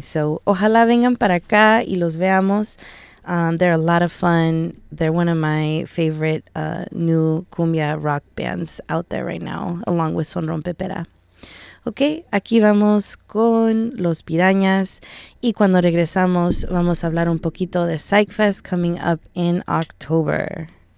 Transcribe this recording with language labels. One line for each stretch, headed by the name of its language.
Spanish: So, ojalá vengan para acá y los veamos.
English: They're a lot of fun. They're one of my favorite new cumbia rock bands out there right now, along with Son Rompepera.
Spanish: Okay, aquí vamos con Los Pirañas. Y cuando regresamos, vamos a hablar un poquito de Psych Fest
English: coming up in October.